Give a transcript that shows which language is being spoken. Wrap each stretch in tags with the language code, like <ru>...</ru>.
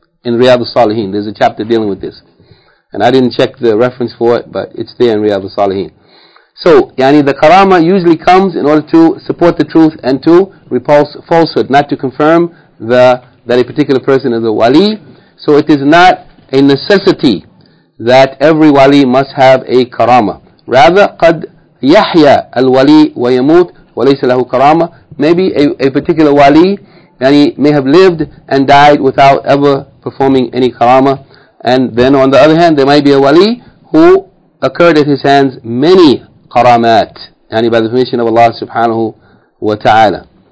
<en>In Riyadh al-Salihin, there's a chapter dealing with this. And I didn't check the reference for it, but it's there in Riyadh al-Salihin. So, yani the karama usually comes in order to support the truth and to repulse falsehood, not to confirm that a particular person is a wali. So it is not a necessity that every wali must have a karama.</en> <ar>Rather, قَدْ يَحْيَى الْوَلِي وَيَمُوتْ وَلَيْسَ لَهُ كَرَامَةً.</ar> <en>Maybe a particular wali, yani, may have lived and died without ever performing any karama. And then on the other hand, there might be a wali who occurred at his hands many karamat, yani by the permission of Allah subhanahu wa ta'ala.</en>